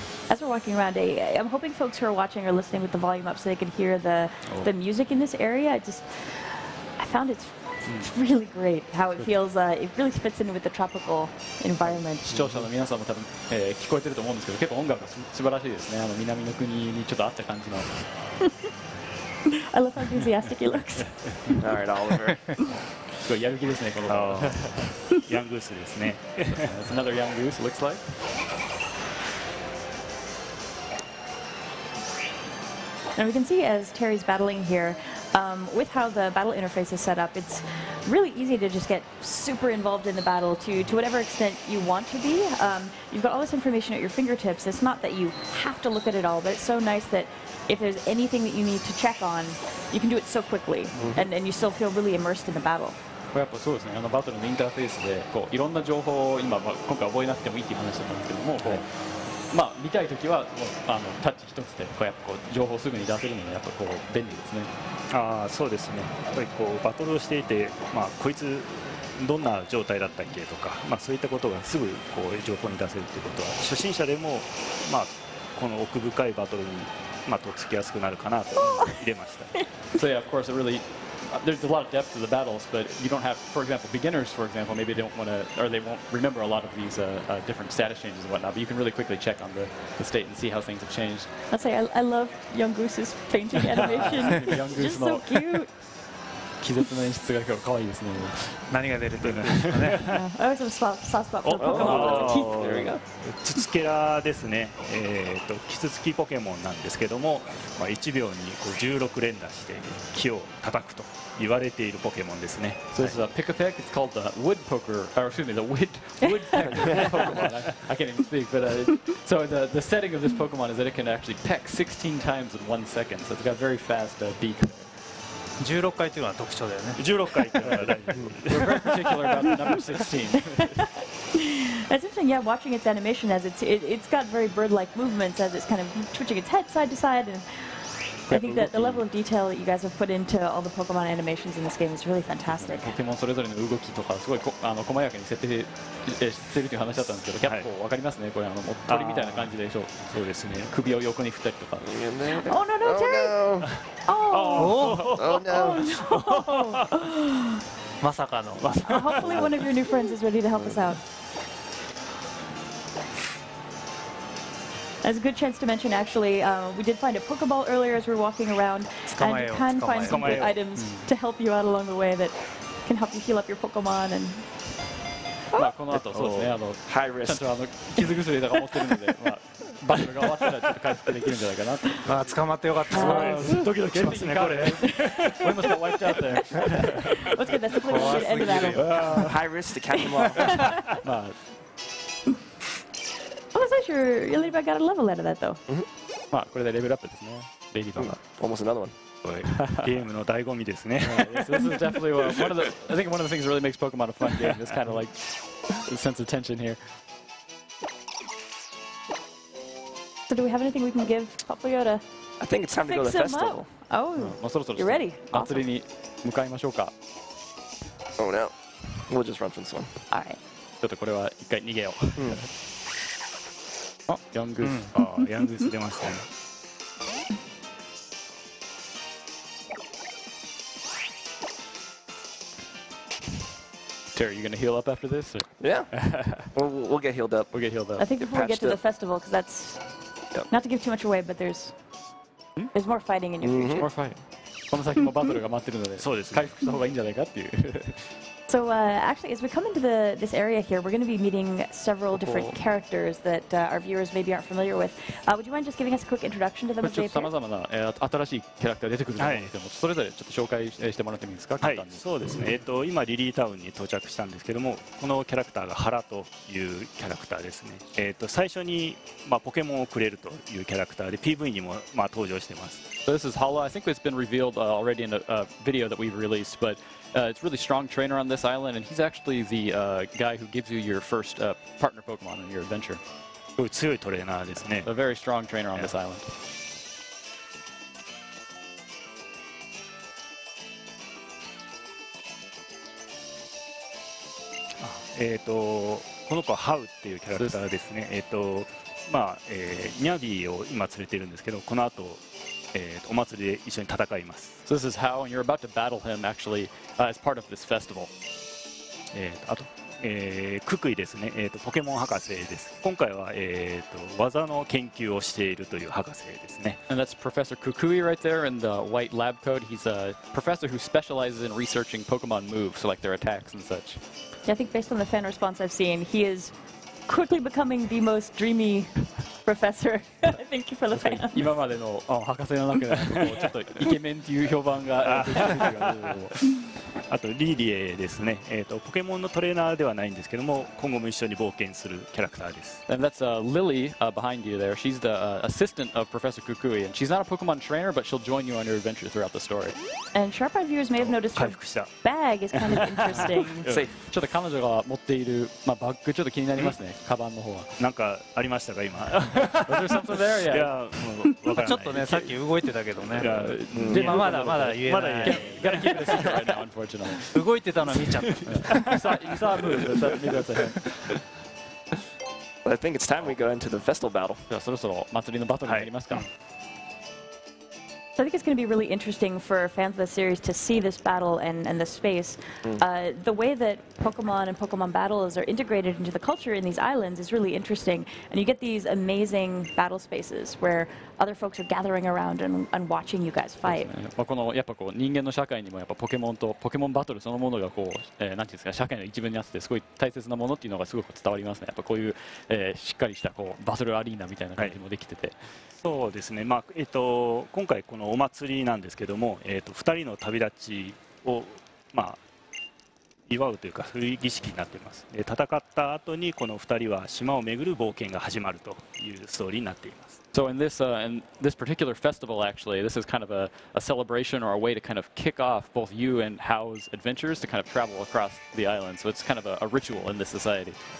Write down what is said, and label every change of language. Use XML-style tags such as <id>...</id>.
<en>As we're walking around, I'm hoping folks who are watching or listening with the volume up so they can hear the music in this area. I found it's really great how it feels. It really fits in with the tropical environment.</en> <ja>視聴者の皆さんも多分、聞こえてると思うんですけど、結構音楽が素晴らしいですね。南の国にちょっと合った感じの。</ja> <en>I love how enthusiastic he looks. All right, Oliver.</en> <ja>すごいやる気ですね、この子。ヤングースですね。</ja> <en>That's another young goose, looks like. And we can see as Terry's battling here, with how the battle interface is set up, it's really easy to just get super involved in the battle to whatever extent you want to be. You've got all this information at your fingertips. It's not that you have to look at it all, but it's so nice that if there's anything that you need to check on, you can do it so quickly, mm-hmm. and you still feel really immersed in the battle.</en> <ja>これやっぱそうですね、バトルのインターフェースでこういろんな情報を 今回覚えなくてもいいっていう話だったんですけども、はい、まあ、見たいときはもうタッチ一つでこうやっぱこう情報をすぐに出せるのがやっぱこう便利ですね。あ、そうですね、やっぱりこうバトルをしていて、まあ、こいつどんな状態だったっけとか、まあ、そういったことがすぐこう情報に出せるということは初心者でも、まあ、この奥深いバトルに、まあ、とっつきやすくなるかなと入れました。そうですね、本当に</ja> <en>There's a lot of depth to the battles, but you don't have, for example, beginners, for example, maybe they don't want to, or they won't remember a lot of these different status changes and whatnot, but you can really quickly check on the state and see how things have changed. I'd say I love Young Goose's painting animation. Young Goose is so cute.</en> <ja>気絶の演出が今日可愛いですね。何が出るというのでしょうね。ああ、ちょっとスパッポケモン。ツツケラですね。キツツキポケモンなんですけども、まあ、1秒にこう16連打して木を叩くと言われているポケモンですね。</ja> <en>So this is a pick a peck. It's called the wood poker. Or excuse me, the wood Pokemon. I can't even speak. But so the setting of this Pokemon is that it can actually peck 16 times in 1 second. So it's got very fast beak.</en> <ja>16回というのは特徴だよね。 16回というのは 16.</ja> <en>That's interesting. Yeah, watching its animation as it's got very bird-like movements as it's kind of twitching its head side to side. And I think that the level of detail that you guys have put into all the Pokemon animations in this game is really fantastic.</en> <ja>ポケモンそれぞれの動きとかすごい細やかに設定してるという話だったんですけど、結構わかりますね。これ鳥みたいな感じでしょう。そうですね。首を横に振ったりとか。</ja> <en>Oh no no Terry! Oh no!</en> <ja>まさかの。</ja> <en>Hopefully one of your new friends is ready to help us out. That's a good chance to mention, actually, we did find a Pokeball earlier as we were walking around, and you can find some good items to help you out along the way that can help you heal up your Pokemon. And...</en> <ja>まあ、この後、そうですね、</ja> <en>high risk.</en> <ja>ちゃんと傷薬とか持ってるので、まあ、バトルが終わったらちょっと回復できるんじゃないかなと。ああ、捕まってよかった。ドキドキしますね、これ。俺もちょっと終わっちゃったよ。</ja> <en>What's good, that's High risk to catch them all.</en> <ja>まあ</ja> <en>I'm not sure your ladybug got a level out of that, though.</en> <ja>まあ、これでレベルアップですね。レディバが。</ja> <en>Almost another one.</en> <ja>ゲームの醍醐味ですね。</ja> <en>This is definitely I think one of the things that really makes Pokemon a fun game. It's kind of like a sense of tension here. So do we have anything we can give Popoyo to I think it's time to go to the festival. Oh, you're ready. Awesome.</en> <ja>祭りに向かいましょうか。</ja> <en>Oh no. We'll just run for this one. All right.</en> <ja>ちょっとこれは一回逃げよう。あ、ヤングス。あ、ヤングス出ましたね。</ja> <en>Are you going to heal up after this? Or? Yeah. we'll get healed up. We'll get healed up. I think before we get to the festival, because that's... Yep. Not to give too much away, but there's... There's more fighting in your future. More fighting.</en> <ja>この先もバトルが待ってるので、そうです。回復した方がいいんじゃないかっていう。</ja> <en>So, actually, as we come into this area here, we're going to be meeting several different characters that our viewers maybe aren't familiar with. Would you mind just giving us a quick introduction to them as they appear?</en> <ja>ちょっと様々な、新しいキャラクター出てくると思うんですけども、それぞれちょっと紹介してもらってもいいですか？はい、そうですね。今、リリータウンに到着したんですけども、このキャラクターがハラというキャラクターですね。最初に、まあ、ポケモンをくれるというキャラクターで、PV にも、まあ、登場しています。</ja> <en>So this is Hala. I think it's been revealed already in a video that we've released, but it's a really strong trainer on this island, and he's actually the guy who gives you your first partner Pokemon on your adventure.</en> <ja>すごい強いトレーナーですね。</ja> <en>A very strong trainer on this island.</en> <ja>この子はハウっていうキャラクターですね。まあ、ニャビーを今連れているんですけど、この後お祭りで一緒に戦います。</ja> <en>So this is how, and you're about to battle him actually, as part of this festival.</en> <ja>あと、クックイですね。ポケモン博士です。今回は、技の研究をしているという博士ですね。</ja> <en>And that's Professor Kukui right there in the white lab coat. He's a professor who specializes in researching Pokemon moves, so like their attacks and such. Yeah, I think based on the fan response I've seen, he is quickly becoming the most dreamy. Professor, thank you for the fan.</en> <ja>今までの博士の中でちょっとイケメンという評判が。あとリリエですね。ポケモンのトレーナーではないんですけども、今後も一緒に冒険するキャラクターです。</ja> <en>And that's Lily behind you there. She's the assistant of Professor Kukui, and she's not a Pokemon trainer, but she'll join you on your adventure throughout the story. And sharp eye viewers may have noticed her bag is kind of interesting.</en> <ja>ちょっと彼女が持っている、まあ、バッグちょっと気になりますね。カバンの方は。なんかありましたか今。</ja> <en>Was there something there? Yeah. Yeah,</en> <ja>ちょっとね、さっき動いてたけどね。でもまだまだ言えない。</ja> <en>Gotta keep this secret right now, unfortunately.</en> <ja>動いてたの見ちゃった。</ja> <en>You saw a move.</en> <ja>見てください。</ja> <en>Well, I think it's time we go into the festival battle.</en> <ja>じゃあそろそろ祭りのバトルになりますか。</ja> <en>So I think it's going to be really interesting for fans of the series to see this battle and the space. The way that Pokemon and Pokemon battles are integrated into the culture in these islands is really interesting. And you get these amazing battle spaces where other folks are gathering around and watching you guys fight.</en> <ja>まあこのやっぱこう人間の社会にもやっぱポケモンとポケモンバトルそのものがこう何ですか社会の一部にあってすごい大切なものっていうのがすごく伝わりますね。やっぱこういうしっかりしたこうバトルアリーナみたいな感じもできてて。そうですね。まあ今回このお祭りなんですけども、2人の旅立ちを、まあ、祝うというか、そういう儀式になっています。戦った後に、この2人は島を巡る冒険が始まるというストーリーになっています。</ja> <en>So in this particular festival actually, this is kind of a celebration or a way to kind of kick off both you and Hao's adventures to kind of travel across the island. So it's kind of a ritual in this society.</en>